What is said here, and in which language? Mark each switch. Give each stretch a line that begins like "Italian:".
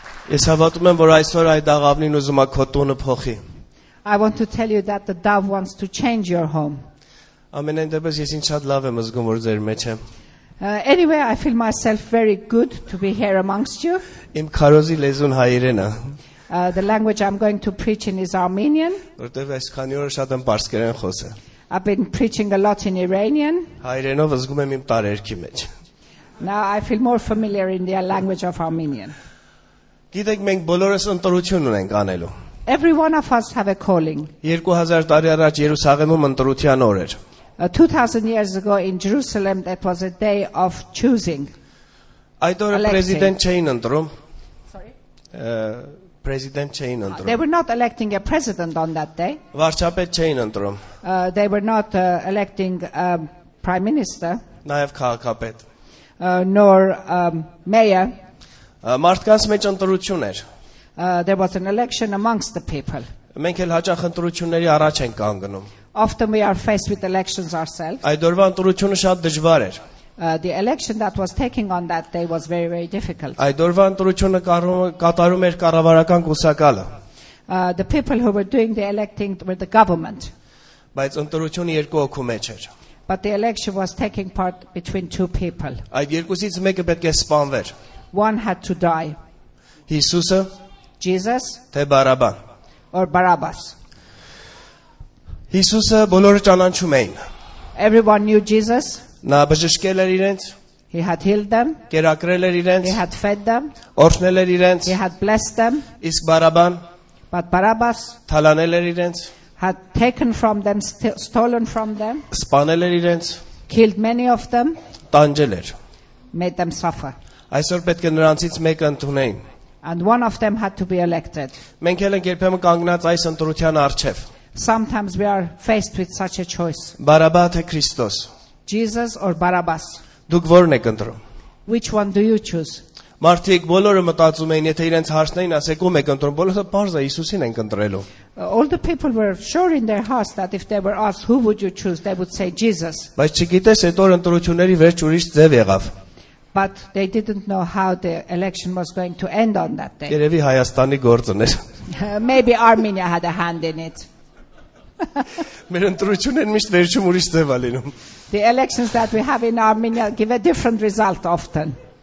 Armenian: Ես հավատում եմ, որ այսօր այդ աղավնին ուզում է քո տունը փոխի.
English: I want to tell you that the dove wants to change your home.
Armenian: Ամենայն դեպս ես ինձ շատ լավ եմ զգում, որ ձեր մեջ եմ.
English: Anyway, I feel myself very good to be here amongst you.
Armenian: Իմ քարոզի լեզուն հայերեն է.
English: The language I'm going to preach in is Armenian.
Armenian: Որտեվ ես քանի օր շատ եմ պարսկերեն խոսել.
English: I've been preaching a lot in Iranian.
Armenian: Հայերենով զգում եմ իմ տարերքի մեջ.
English: Now I feel more familiar in the language of Armenian.
Armenian: Գիտեք, մենք բոլորս ընտրություն ունենք անելու.
English: Every one of us have a calling.
Armenian: 2000 տարի առաջ Երուսաղեմում ընտրության օր էր.
English: 2000 years ago in Jerusalem that was a day of choosing.
Armenian: Այդ օրը պրեզիդենտ չէին ընտրում.
English: Sorry.
Armenian: President չէին ընտրում.
English: They were not electing a president on that day.
Armenian: Վարչապետ չէին ընտրում.
English: They were not electing a prime minister.
Armenian: Նաև քաղաքապետ.
English: Nor mayor.
Armenian: Մարդկանց մեջ ընտրություն էր.
English: There was an election amongst the people.
Armenian: Մենք էլ հաճախ ընտրությունների առաջ ենք կանգնում.
English: Often we are faced with elections ourselves.
Armenian: Այդ օրվա ընտրությունը շատ դժվար էր.
English: The election that was taking on that day was very, very difficult.
Armenian: Այդ օրվա ընտրությունը կատարում էր կառավարական կուսակալը.
English: The people who were doing the electing were the government.
Armenian: Բայց ընտրությունը երկու հոգու մեջ էր.
English: But the election was taking part between two people.
Armenian: Այդ երկուսից մեկը պետք է սպանվեր.
English: One had to die.
Armenian: Հիսուսը.
English: Jesus.
Armenian: Թե Բարաբան.
English: Or Barabbas.
Armenian: Հիսուսը բոլորը ճանաչում էին.
English: Everyone knew Jesus.
Armenian: Նա բժշկել էր իրենց.
English: He had healed them.
Armenian: Կերակրել էր իրենց.
English: He had fed them.
Armenian: Օրհնել էր իրենց.
English: He had blessed them.
Armenian: Իսկ Բարաբան.
English: But Barabbas.
Armenian: Թալանել էր իրենց.
English: Had taken from them, stolen from them.
Armenian: Սպանել էր իրենց.
English: Killed many of them.
Armenian: Տանջել էր.
English: Made them suffer.
Armenian: Այսօր պետք է նրանցից մեկը ընդունեին.
English: And one of them had to be elected.
Armenian: Մենք ելենք երբեմն կանգնած այս ընտրության առջև.
English: Sometimes we are faced with such a choice.
Armenian: Բարաբա թե Քրիստոս.
English: Jesus or Barabbas.
Armenian: Դուք ո՞րն եք ընտրում.
English: Which one do you choose?
Armenian: Մարդիկ բոլորը մտածում էին, եթե իրենց հարցնեին, ասեք ո՞ւմ եք ընտրում, բոլորը պարզ է, Հիսուսին են ընտրելու.
English: All the people were sure in their hearts that if they were asked who would you choose, they would say Jesus.
Armenian: Բայց չգիտես, այդ օր ընտրությունների վերջ ուրիշ ձև եղավ.
English: But they didn't know how the election was going to end on that day.
Armenian: Երևի Հայաստանի գործն էր.
English: Maybe Armenia had a hand in it.
Armenian: Մեր ընտրությունները միշտ վերջում ուրիշ ձև ալինում.
English: The elections that we have in Armenia give a different result often.